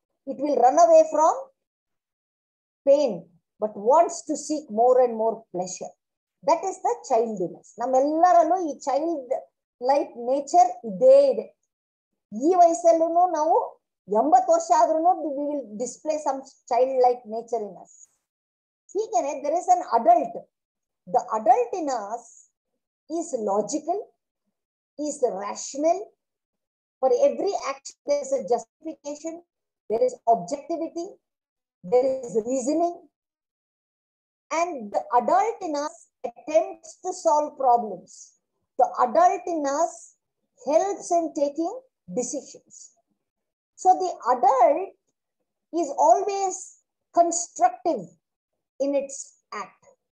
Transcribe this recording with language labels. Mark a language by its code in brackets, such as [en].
[en] It will run away from pain but wants to seek more and more pleasure. That is the childiness. [kn] ನಮ್ಮೆಲ್ಲರಲ್ಲೂ ಈ child like nature ಇದೇ ಇದೆ. ಈ ವಯಸ್ಸಲ್ಲೂ ನಾವು 80 ವರ್ಷ ಆದ್ರೂ [en] We will display some child like nature in us. ಹೀಗೇನೆ there is an adult, the adult in us is logical, is rational. For every action there is a justification, there is objectivity, there is reasoning. And the adult in us attempts to solve problems. The adult in us helps in taking decisions. So the adult is always constructive in its act.